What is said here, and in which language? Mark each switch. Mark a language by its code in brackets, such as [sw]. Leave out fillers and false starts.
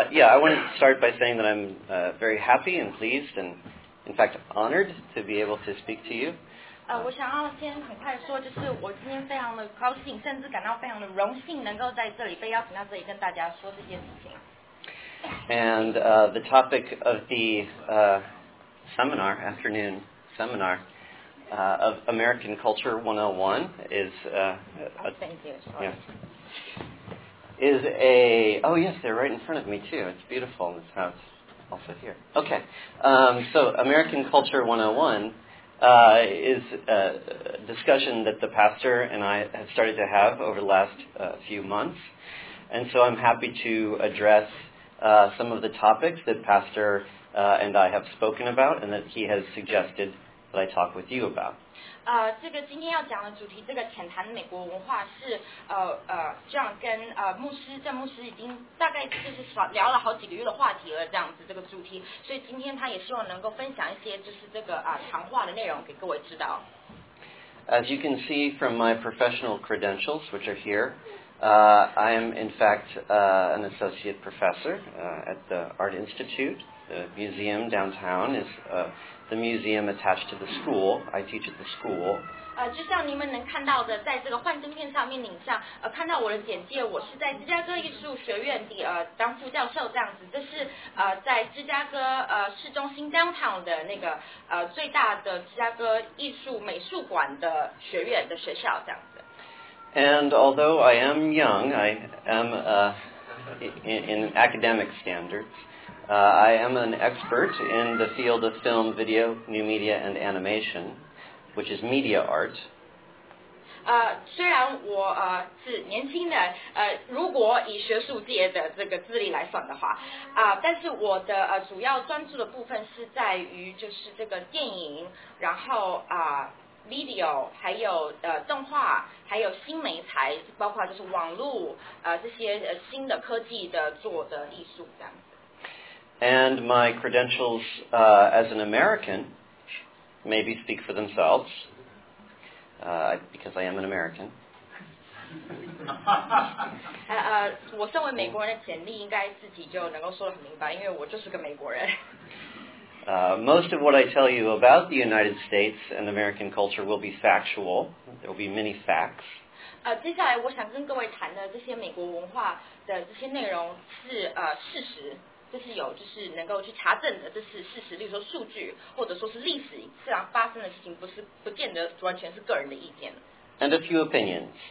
[en] I want to start by saying that I'm very happy and pleased and, in fact, honored to be able to speak to you. [zh] 我想要先很快说，就是我今天非常的高兴，甚至感到非常的荣幸，能够在这里被邀请到这里跟大家说这件事情。 [en] And the topic of the afternoon seminar,of American Culture 101 is they're right in front of me too. It's beautiful. This house also here. Okay. So American Culture 101 is a discussion that the pastor and I have started to have over the last few months. And so I'm happy to address some of the topics that pastor and I have spoken about and that he has suggested that I talk with you about. [zh] 这个今天要讲的主题，这个浅谈美国文化是John 跟牧师，郑牧师已经大概就是聊了好几个月的话题了，这样子这个主题，所以今天他也希望能够分享一些就是这个谈话的内容给各位知道。 [en] As you can see from my professional credentials, which are here, I am in fact an associate professor at the Art Institute. The museum downtown is the museum attached to the school. I teach at the school. [zh] 就像你们能看到的，在这个幻灯片上面，影像看到我的简介，我是在芝加哥艺术学院的当副教授这样子。这是在芝加哥市中心 downtown 的那个最大的芝加哥艺术美术馆的学院的学校这样子。 [en] And although I am young, I am in academic standards. I am an expert in the field of film, video, new media, and animation, which is media art. [zh] 虽然我是年轻的，如果以学术界的这个资历来算的话，但是我的主要专注的部分是在于就是这个电影，然后video 还有动画，还有新媒材，包括就是网络这些新的科技的做的艺术这样。 [en] And my credentials as an American maybe speak for themselves, because I am an American. [zh] 我身为美国人的潜力应该自己就能够说得很明白，因为我就是个美国人。 [en] Most of what I tell you about the United States and American culture will be factual. There will be many facts. [zh] 接下来我想跟各位谈的这些美国文化的这些内容是事实。这是有就是能够去查证的，这是事实，例如说数据或者说是历史自然发生的事情，不是不见得完全是个人的意见。 [en] And a few opinions.